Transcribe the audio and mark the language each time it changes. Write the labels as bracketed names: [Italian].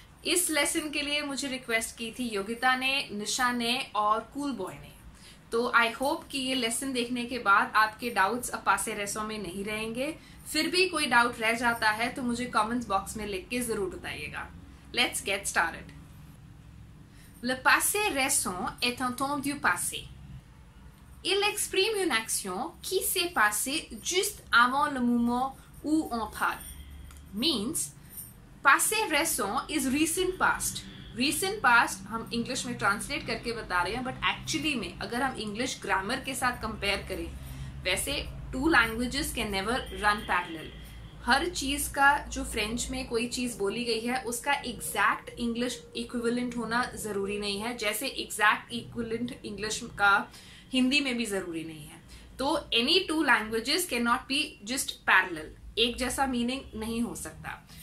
[Hindi] इस लेसन के लिए मुझे रिक्वेस्ट की थी योगिता ने, निशा ने और कूल बॉय ने. तो आई होप कि ये लेसन देखने के बाद आपके डाउट्स अब पासे रेसों में नहीं रहेंगे. फिर भी कोई डाउट रह जाता है तो मुझे कमेंट्स बॉक्स में लिख के जरूर बताइएगा. [English] Let's get started. [French] Le passé récent est un temps du passé. Il exprime une action qui s'est passée juste avant le moment où on parle. [English] Means, passé récent is recent past. [Hindi] Recent past, हम English में translate करके बता रहे हैं, [English] but actually [Hindi] में, अगर हम English grammar के साथ compare करें, वैसे [English] two languages can never run parallel. [Hindi] हर चीज का जो फ्रेंच में कोई चीज बोली गई है उसका एग्जैक्ट इंग्लिश इक्विवेलेंट होना जरूरी नहीं है, जैसे एग्जैक्ट इक्विवेलेंट इंग्लिश का हिंदी में भी जरूरी नहीं है. [English] तो any two languages can not be just parallel, [Hindi] एक जैसा मीनिंग नहीं हो सकता.